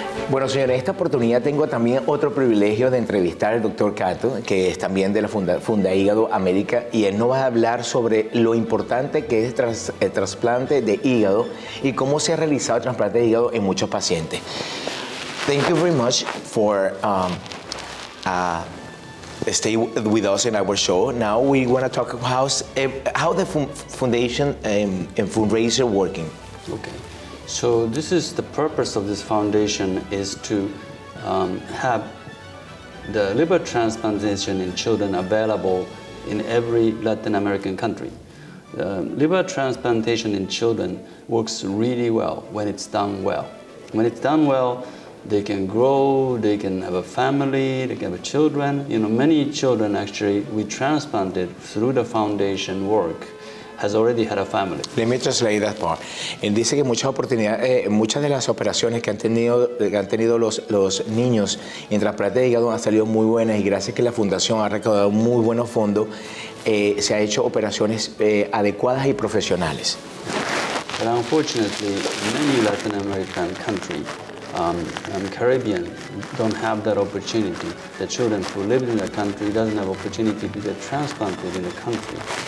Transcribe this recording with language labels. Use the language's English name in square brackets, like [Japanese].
[Spanish] Bueno, señores, en esta oportunidad tengo también otro privilegio de entrevistar al doctor Cato, que es también de la Funda Hígado América, y él nos va a hablar sobre lo importante que es el trasplante de hígado y cómo se ha realizado el trasplante de hígado en muchos pacientes. [English] Thank you very much for stay with us in our show. Now we want to talk about how the foundation and fundraiser working. Okay. So this is the purpose of this foundation is to have the liver transplantation in children available in every Latin American country. Liver transplantation in children works really well when it's done well. When it's done well, they can grow, they can have a family, they can have children. You know, many children actually we transplanted through the foundation work has already had a family. Let me translate that part. [Spanish] Él dice que muchas de las operaciones que han tenido los niños en trasplante de hígado han salido muy buenas, y gracias a que la fundación ha recaudado muy buenos fondos, se han hecho operaciones adecuadas y profesionales. [English] But unfortunately, many Latin American countries and Caribbean don't have that opportunity. The children who live in the country doesn't have opportunity to get transplanted in the country.